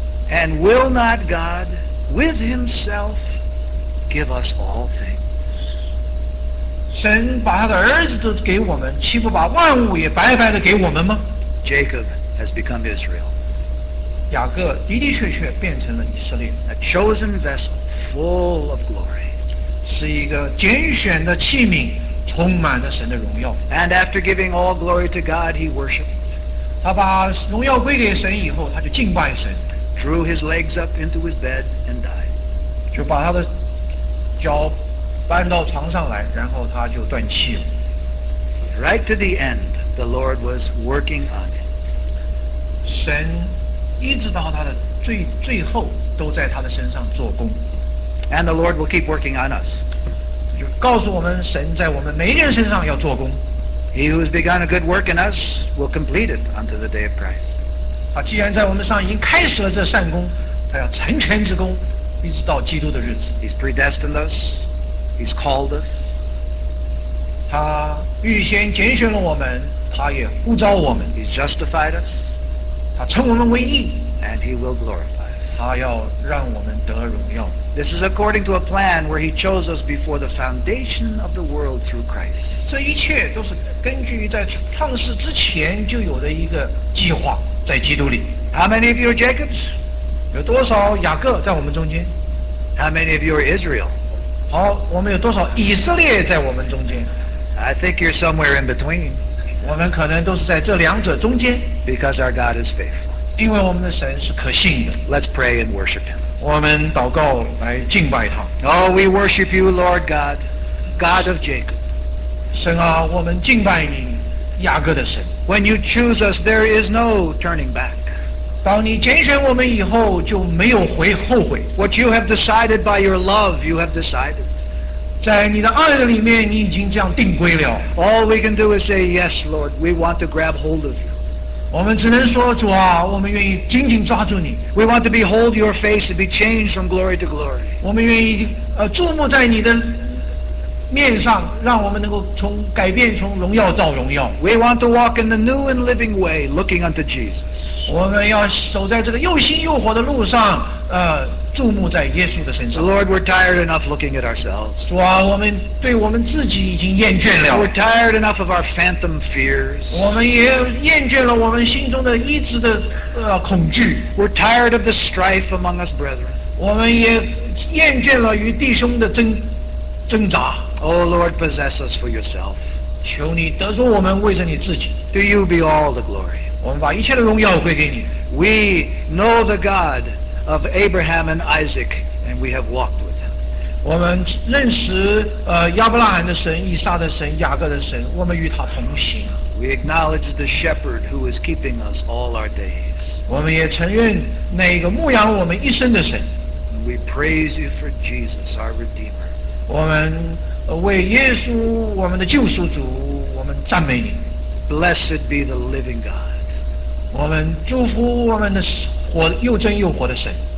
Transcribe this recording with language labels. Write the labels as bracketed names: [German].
[English] And will not God, with Himself, give us all things? [Chinese] 神把他的儿子都给我们，岂不把万物也白白的给我们吗 [English] ？Jacob has become Israel. [Chinese] 雅各的的确确变成了以色列 [English] ，a chosen vessel full of glory， [Chinese] 是一个拣选的器皿，充满了神的荣耀。 [English] And after giving all glory to God, he worshipped. [Chinese] 他把荣耀归给神以后，他就敬拜神。 [English] Drew his legs up into his bed and died. [Chinese] 就把他的脚。搬到床上来，然后他就断气了。 [English] Right to the end, the Lord was working on him. [Chinese] 神一直到他的最后都在他的身上做工。 [English] And the Lord will keep working on us. [Chinese] 就告诉我们，神在我们每一个人身上要做工。 [English] He who has begun a good work in us will complete it unto the day of Christ. [Chinese] 他既然在我们上已经开始了这善工，他要成全之功，一直到基督的日子。 [English] He's predestined us. He's called us. [Chinese] 他预先拣选了我们，他也呼召我们。 [English] He's justified us. [Chinese] 他称我们为义。 [English] And he will glorify us. [Chinese] 他要让我们得荣耀。 [English] This is according to a plan where he chose us before the foundation of the world through Christ. [Chinese] 这一切都是根据在创世之前就有的一个计划，在基督里。 [English] How many of you are Jacobs? [Chinese] 有多少雅各在我们中间？ [English] How many of you are Israel? [Chinese] 好，我们有多少以色列在我们中间 [English] ？I think you're somewhere in between. [Chinese] 我们可能都是在这两者中间。 [English] Because our God is faithful. [Chinese] 因为我们的神是可信的。 [English] Let's pray and worship Him. [Chinese] 我们祷告来敬拜他。 [English] Oh, we worship you, Lord God. God of Jacob. [Chinese] 神啊，我们敬拜你，雅各的神。 [English] When you choose us, there is no turning back. [Chinese] 当你拣选我们以后，就没有回后悔。 [English] What you have decided by your love, you have decided. [Chinese] 在你的爱里面，你已经这样定规了。 [English] All we can do is say, yes, Lord, we want to grab hold of you. [Chinese] 我们只能说主啊我们愿意紧紧抓住你 [English] We want to behold your face and be changed from glory to glory [Chinese] 我们愿意注目在你的面上让我们能够从改变从荣耀到荣耀 [English] We want to walk in the new and living way looking unto Jesus [Chinese] 我们要走在这个又新又活的路上注目在耶稣的身上 [English] Lord we're tired enough looking at ourselves [Chinese] 主啊我们对我们自己已经厌倦了 [English] We're tired enough of our phantom fears [Chinese] 我们也厌倦了我们心中的一直的恐惧 [English] We're tired of the strife among us brethren [Chinese] 我们也厌倦了与弟兄的挣扎 [English] Oh Lord possess us for yourself [Chinese] 求你得着我们为着你自己 [English] Do you be all the glory [Chinese] 我们把一切的荣耀归给你 [English] We know the GodOf Abraham and Isaac, and we have walked with him. [Chinese] 我们认识亚伯拉罕的神、以撒的神、雅各的神，我们与他同行。 [English] We acknowledge the Shepherd who is keeping us all our days. [Chinese] 我们也承认那个牧养我们一生的神。 [English] We praise you for Jesus, our Redeemer. [Chinese] 我们为耶稣，我们的救赎主，我们赞美你。 [English] Blessed be the Living God. [Chinese] 我们祝福我们的活又真又活的神